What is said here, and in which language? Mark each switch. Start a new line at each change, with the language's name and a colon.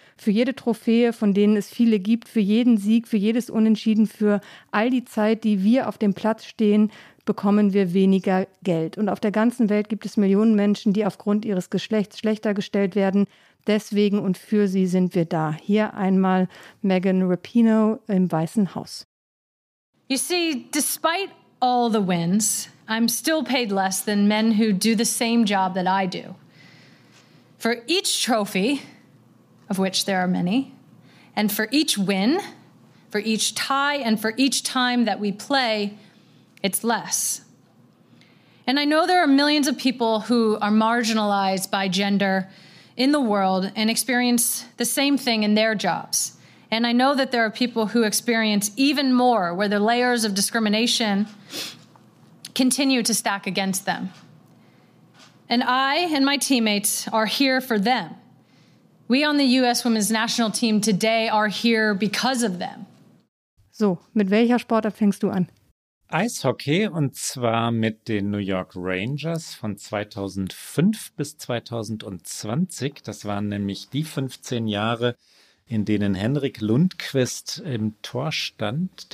German: Für jede Trophäe, von denen es viele gibt, für jeden Sieg, für jedes Unentschieden, für all die Zeit, die wir auf dem Platz stehen, bekommen wir weniger Geld. Und auf der ganzen Welt gibt es Millionen Menschen, die aufgrund ihres Geschlechts schlechter gestellt werden. Deswegen und für sie sind wir da. Hier einmal Megan Rapinoe im Weißen Haus.
English: You see, despite all the wins, I'm still paid less than men who do the same job that I do. For each trophy, of which there are many, and for each win, for each tie, and for each time that we play, it's less. And I know there are millions of people who are marginalized by gender in the world and experience the same thing in their jobs. And I know that there are people who experience even more where the layers of discrimination continue to stack against them. And I and my teammates are here for them. We on the U.S. Women's National Team today are here because of them.
German: So, mit welcher Sportart fängst du an? Eishockey, und zwar mit den New York Rangers von 2005 bis 2020. Das waren nämlich die 15 Jahre, in denen Henrik Lundqvist im Tor stand.